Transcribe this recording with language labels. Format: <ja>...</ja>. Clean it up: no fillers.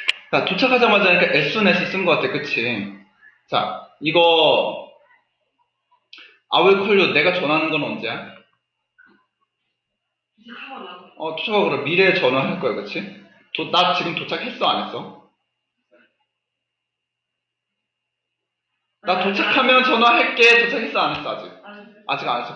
<ko>자, 도착하자마자 그러니까 SNS 쓴 것 같아, 그치? 자, 이거</ko> <en>I will call you.</en> <ko>내가 전화하는 건 언제야? 어, 도착하고 그럼 미래에 전화할 거야, 그치? 나 지금 도착했어, 안 했어? 나 도착하면 전화할게. 도착했어, 안 했어, 아직? 아직 안 했어.</ko>